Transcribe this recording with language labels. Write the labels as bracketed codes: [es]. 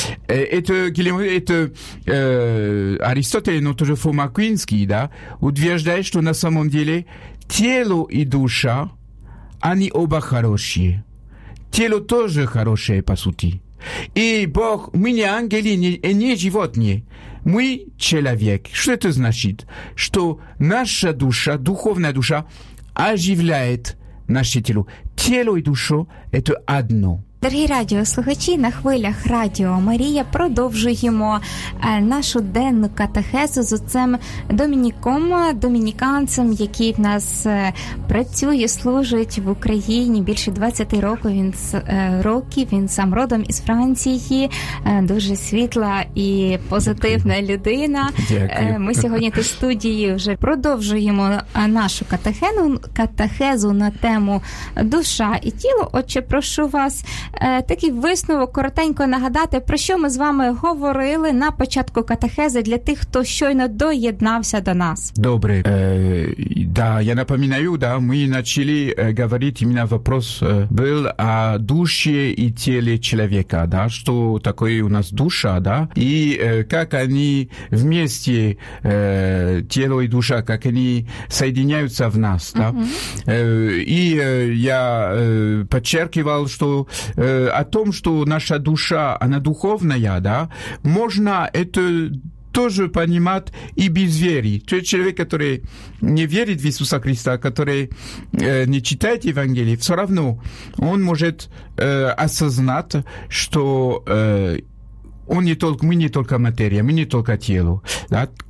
[ru] Это гилеморфизм, это Аристотель, но тоже Фома Аквинский, да, утверждает, что на самом деле тело и душа они оба хорошие. Тело тоже хорошее, по сути. И Бог, мы не ангели, не животные. Мы человек. Что это значит? Что наша душа, духовная душа, оживляет наше тело. Тело и душа – это одно. [uk] Дорогі радіослухачі, на хвилях Радіо Марія продовжуємо нашу денну катехезу з отцем Домініком, домініканцем, який в нас працює, служить в Україні більше 20 років. Він сам родом із Франції, дуже світла і позитивна людина. Дякую. Ми сьогодні в студії вже продовжуємо нашу катехезу на тему душа і тіло. Отже, прошу вас такий висновок коротенько нагадати, про що ми з вами говорили на початку катехези для тих, хто щойно доєднався до нас. Добре. [ru] Да, я напоминаю, [uk] да, ми почали говорити, мені вопрос був о душі і тілі чоловіка, да, що таке у нас душа, да, і як вони вместе, тіло і душа, як вони соєдиняються в нас, да. [ru] І я подчеркивал, що о том, что наша душа, она духовная, да, можно это тоже понимать и без веры. То есть человек, который не верит в Иисуса Христа, который не читает Евангелие, все равно он может осознать, что он не только, мы не только материя, мы не только тело. Да?